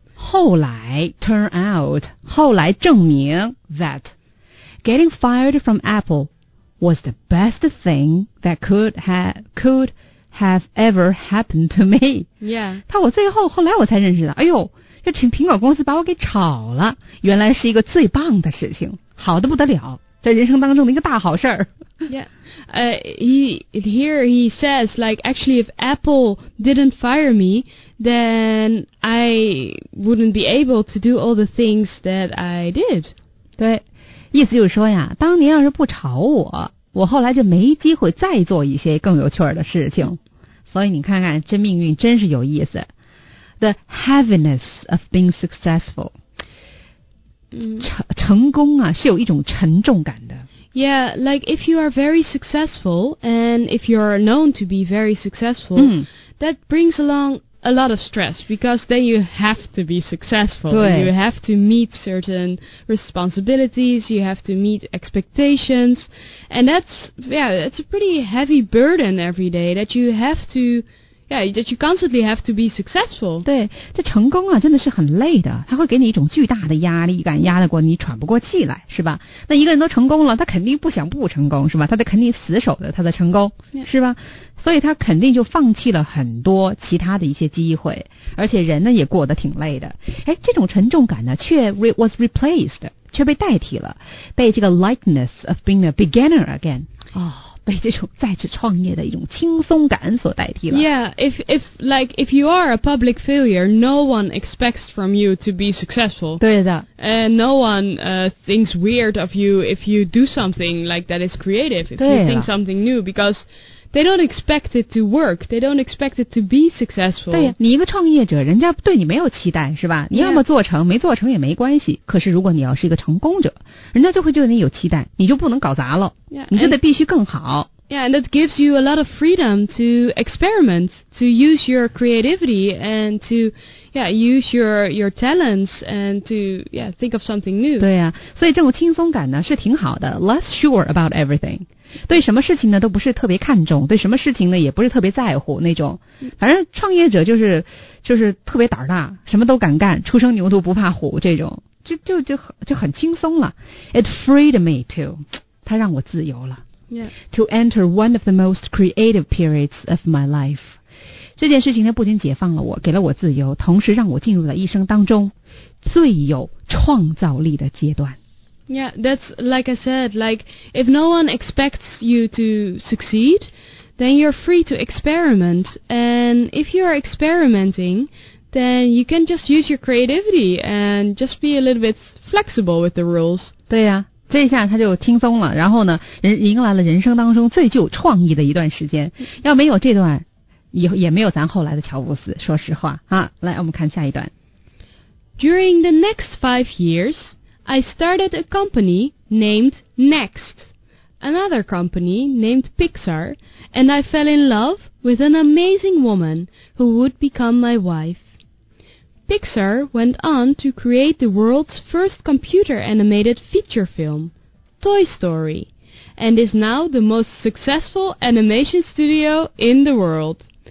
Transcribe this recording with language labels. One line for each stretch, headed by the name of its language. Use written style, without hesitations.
Chinese: 后来
English: turn out
Chinese: 后来证明
English: that getting fired from Apple was the best thing that could have ever happened to me. Yeah.
Chinese: 他我最后后来我才认识到，哎呦，这请苹果公司把我给炒了，原来是一个最棒的事情，好的不得了，在人生当中的一个大好事儿。
English: Yeah. He says like actually if Apple didn't fire me, then I wouldn't be able to do all the things that I did.
Chinese: 对，意思就是说呀，当年要是不炒我，我后来就没机会再做一些更有趣儿的事情。所以你看看，这命运真是有意思。
English: The heaviness of being successful.
Chinese: 成功啊，是有一种沉重感的。
English: Yeah, like if you are very successful and if you are known to be very successful,、 mm. that brings along a lot of stress because then you have to be successful. You have to meet certain responsibilities, you have to meet expectations. And that's a pretty heavy burden every day that you have to... that you constantly have to be successful.
Chinese: 对，这成功啊真的是很累的，它会给你一种巨大的压力感，压得过你喘不过气来，是吧？那一个人都成功了，他肯定不想不成功，是吧？他得肯定死守着他的成功、
English: yeah.
Chinese: 是吧？所以他肯定就放弃了很多其他的一些机会，而且人呢也过得挺累的。哎，这种沉重感呢却
English: was replaced,
Chinese: 却被代替了，被这个
English: lightness of being a beginner again.
Chinese: 被这种再次创业的一种轻松感所代替了。
English: Yeah, if you are a public failure, no one expects from you to be successful.
Chinese: 对的。
English: No one thinks weird of you if you do something like that is creative, if you think something new, because they don't expect it to work. They don't expect it to be successful.
Chinese: 对呀，你一个创业者，人家对你没有期待，是吧？你要么做成，没做成也没关系。可是如果你要是一个成功者，人家就会对你有期待，你就不能搞砸了。
English: Yeah,
Chinese: 你就得必须更好。
English: Yeah, and that gives you a lot of freedom to experiment, to use your creativity, and to, use your talents, and to, think of something new.
Chinese: 对呀，所以这种轻松感呢是挺好的。
English: Less sure about everything.
Chinese: 对什么事情呢都不是特别看重，对什么事情呢也不是特别在乎那种，反正创业者就是特别胆大，什么都敢干，初生牛犊不怕虎，这种就很轻松了。
English: It freed me too，
Chinese: 它让我自由了。
English: Yeah. To enter one of the most creative periods of my life，
Chinese: 这件事情呢不仅解放了我，给了我自由，同时让我进入了一生当中最有创造力的阶段。
English: Yeah, that's like I said, like, if no one expects you to succeed, then you're free to experiment. And if you are experimenting, then you can just use your creativity and just be a little bit flexible with the rules.
Chinese: 对呀，这一下他就轻松了，然后呢，迎来了人生当中最具有创意的一段时间。要没有这段，也没有咱后来的乔布斯，说实话啊。来，我们看下一段。
English: During the next 5 years,I started a company named Next, another company named Pixar, and I fell in love with an amazing woman who would become my wife. Pixar went on to create the world's first computer animated feature film, Toy Story, and is now the most successful animation studio in the world.